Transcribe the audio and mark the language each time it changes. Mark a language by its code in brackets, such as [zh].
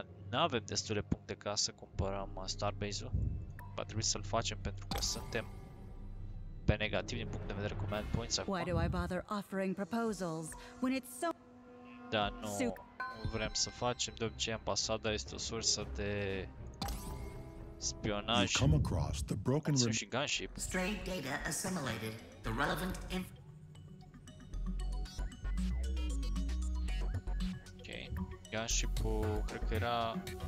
[ro] Nu avem destule puncte ca să cumpărăm Starbase-ul. Va trebui să-l facem pentru că suntem pe negativ din punct de vedere cu command points acum. [en] Why do I bother offering proposals when it's so... [ro] Da, nu vrem să facem. De obicei, ambasada este o sursă de spionaj. [en] You come across the broken room. [ro] Și gunship. [en] Stray data assimilated. The relevant inf... [ro] Gunship-ul cred că era...